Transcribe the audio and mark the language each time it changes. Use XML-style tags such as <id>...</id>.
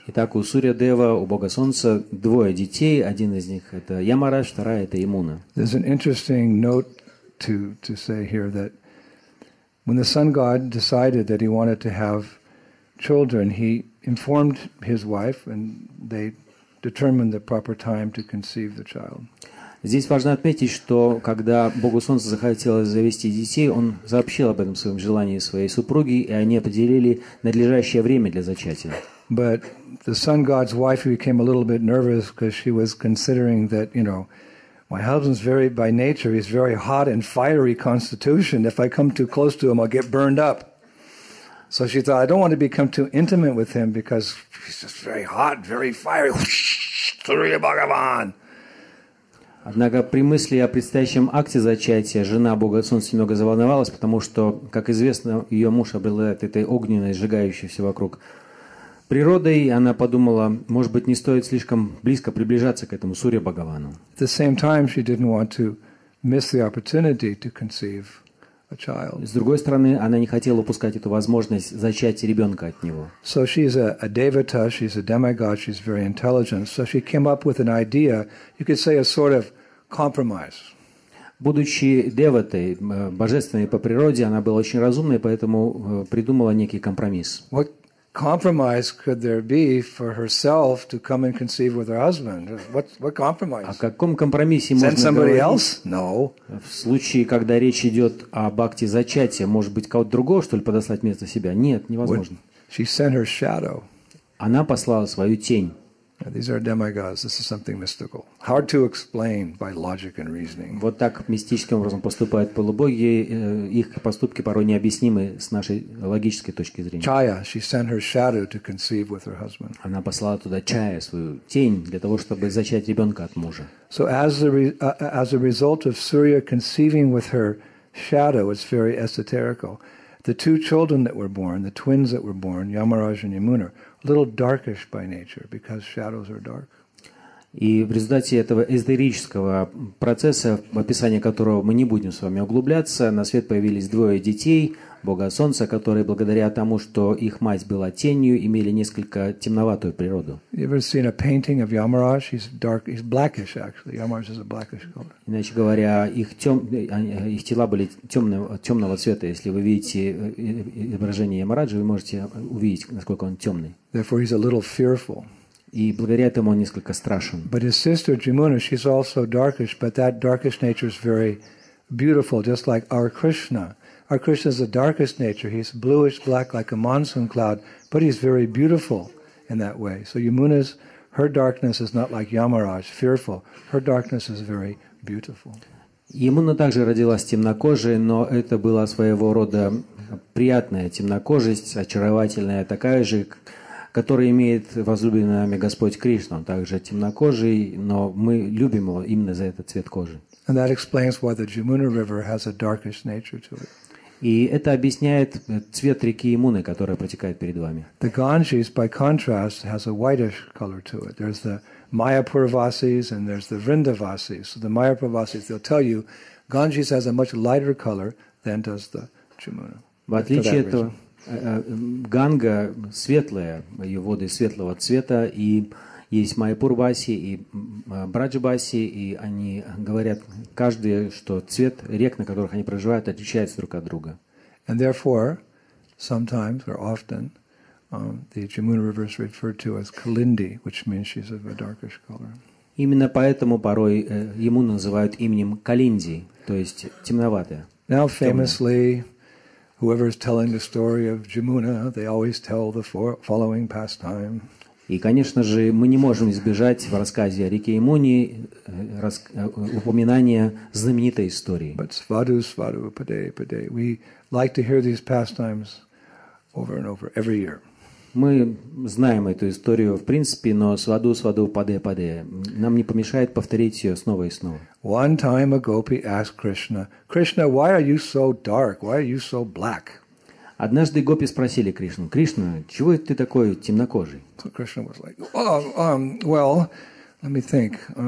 <ru>Итак, у Сурья-дева, у бога солнца, двое детей. Один из них – это Ямарадж, вторая – это Ямуна.</ru> <en>There's an interesting note to say here that when the sun god decided that he wanted to have children, he informed his wife and they determine the proper time to conceive the child.</en> <ru>Здесь важно отметить, что когда Богу Солнца захотелось завести детей, он сообщил об этом своем желании своей супруге, и они определили надлежащее время для зачатия.</ru> <en>But the sun god's wife became a little bit nervous because she was considering that, you know, My husband's very, by nature, he's very hot and fiery constitution. If I come too close to him, I'll get burned up. So she thought, I don't want to become too intimate with him because he's just very hot, very fiery. Surya Bhagavan.</en> <ru>Однако при мысли о предстоящем акте зачатия жена Бога Солнца немного заволновалась, потому что, как известно, ее муж обладает этой огненной, сжигающейся вокруг природой, и она подумала, может быть, не стоит слишком близко приближаться к этому Сурья Бхагавану.</ru> <en>At the same time, she didn't want to miss the opportunity to conceive a child.</en> <ru>С другой стороны, она не хотела упускать эту возможность зачать ребенка от него.</ru> <en>So she's a devata, she's a demigod, she's very intelligent. So she came up with an idea, you could say a sort of compromise.</en> <ru>Будучи деватой, божественной по природе, она была очень разумной, поэтому придумала некий компромисс.</ru> <en>What compromise could there be for herself to come and conceive with her husband? What compromise?</en> <ru>О каком компромиссе можно говорить?</ru> <en>Send somebody else? No.</en> <ru>В случае, когда речь идет об акте зачатия, может быть, кого-то другого, что ли, подослать вместо себя? Нет, невозможно.</ru> <en>She sent her shadow.</en> <ru>Она послала свою тень.</ru> <en>These are demigods. This is something mystical. Hard to explain by logic and reasoning.</en> <ru>Вот так мистическим образом поступают полубоги. Их поступки порой необъяснимы с нашей логической точки зрения.</ru> <en>Chaya, she sent her shadow to conceive with her husband.</en> <ru>Она послала туда Чая, свою тень, для того, чтобы зачать ребенка от мужа.</ru> <en>So as a result of Surya conceiving with her shadow, it's very esoterical. The two children that were born, the twins that were born, Yamaraj and Yamuna, little darkish by nature, because shadows are dark.</en> <ru>И в результате этого эзотерического процесса, в описании которого мы не будем с вами углубляться, на свет появились двое детей Бога Солнца, которые благодаря тому, что их мать была тенью, имели несколько темноватую природу.</ru> <en>You ever seen a painting of Yamaraj? He's dark, he's blackish actually. Yamaraj is a blackish color.</en> <ru>Иначе говоря, их тела были темного цвета. Если вы видите изображение Ямараджа, вы можете увидеть, насколько он темный.</ru> <en>Therefore, he's a little fearful.</en> <ru>И благодаря этому он несколько страшен.</ru> <en>But his sister Jamuna, she's also darkish, but that darkish nature is very beautiful, just like our Krishna. Our Krishna is the darkest nature. He's bluish black like a monsoon cloud, but he's very beautiful in that way. So Yamuna's, her darkness is not like Yamaraj, fearful. Her darkness is very beautiful.</en> <ru>Yamuna также родилась темнокожей, но это была своего рода приятная темнокожесть, очаровательная, такая же, который имеет возлюбленный нами Господь Кришна. Он также темнокожий, но мы любим его именно за этот цвет кожи.</ru> <en>And that explains why the Jamuna River has a darkish nature to it.</en> <ru>И это объясняет цвет реки Ямуны, которая протекает перед вами.</ru> <en>The Ganges, by contrast, has a whitish color to it. There's the Mayapurvasis and there's the Vrindavasis. So the Mayapurvasis, they'll tell you, Ganges has a much lighter color than does the Jamuna.</en> <ru>В отличие от этого, Ганга светлая, ее воды светлого цвета, и есть Майпурваси и Браджбаси, и они говорят каждый, что цвет рек, на которых они проживают, отличается друг от друга.</ru> <en>And therefore, sometimes or often, the Jamuna River is referred to as Kalindi, which means she's of a darkish color.</en> <ru>Именно поэтому порой Ямуну называют именем Калинди, то есть темноватая.</ru> <en>Now famously, whoever is telling the story of Jamuna, they always tell the following pastime.</en> <ru>И, конечно же, мы не можем избежать в рассказе о реке Ямуне упоминания знаменитой истории.</ru> <en>But</en> <sa>svadu, svadu, padai, padai.</sa> <en>We like to hear these pastimes over and over every year.</en> <ru>Мы знаем эту историю, в принципе, но</ru> <sa>svadu, svadu, padai, padai.</sa> <ru>Нам не помешает повторить ее снова и снова.</ru> <en>One time a gopi asked Krishna, Krishna, why are you so dark? Why are you so black?</en> <ru>Однажды гопи спросили Кришну, Кришна, чего ты такой темнокожий?</ru> <en>So Krishna was like, well, let me think.</en>